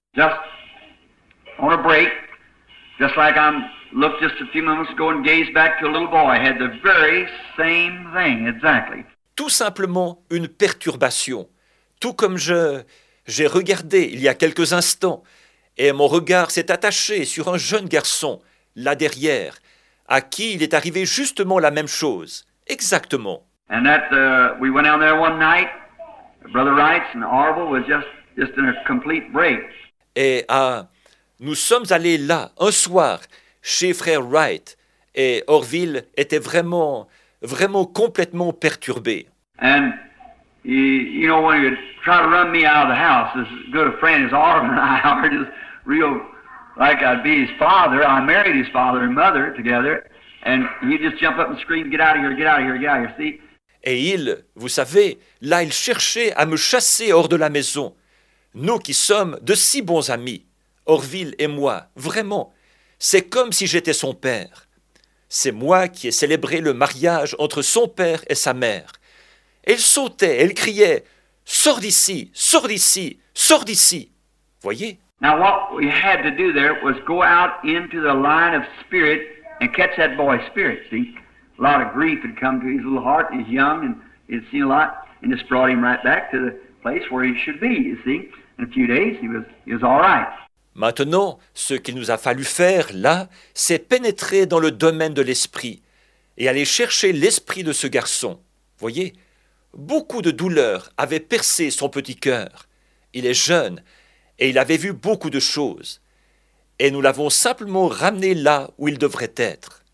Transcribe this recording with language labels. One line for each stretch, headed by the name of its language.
English: Just on a break, just like I looked just a few moments ago and gazed back to a little boy, had the very same thing, exactly.
French: Tout simplement une perturbation. Tout comme j'ai regardé il y a quelques instants et mon regard s'est attaché sur un jeune garçon là derrière à qui il est arrivé justement la même chose. Exactement.
English: And that we went down there one night, Brother Wright's and Orville was just in a complete break.
French: Et nous sommes allés là un soir chez Frère Wright et Orville était vraiment vraiment complètement perturbé.
English: And you know, when you try to run me out of the house, as good a friend as Orville and I are, just real like I'd be his father. I married his father and mother together, and he'd just jump up and scream, "Get out of here! Get out of here! Get out of here!" See?
French: Et il, vous savez, là, il cherchait à me chasser hors de la maison. Nous qui sommes de si bons amis, Orville et moi, vraiment, c'est comme si j'étais son père. C'est moi qui ai célébré le mariage entre son père et sa mère. Elle sautait, elle criait, « Sors d'ici, sors d'ici, sors d'ici !» Voyez.
English: Now what we had to do there was go out into the line of spirit and catch that boy's spirit, see? A lot of grief had come to his little heart, he's young, and he'd seen a lot, and just brought him right back to the place where he should be, you see? In a few days, he was all right.
French: Maintenant, ce qu'il nous a fallu faire, là, c'est pénétrer dans le domaine de l'esprit et aller chercher l'esprit de ce garçon. Voyez, beaucoup de douleurs avaient percé son petit cœur. Il est jeune et il avait vu beaucoup de choses. Et nous l'avons simplement ramené là où il devrait être.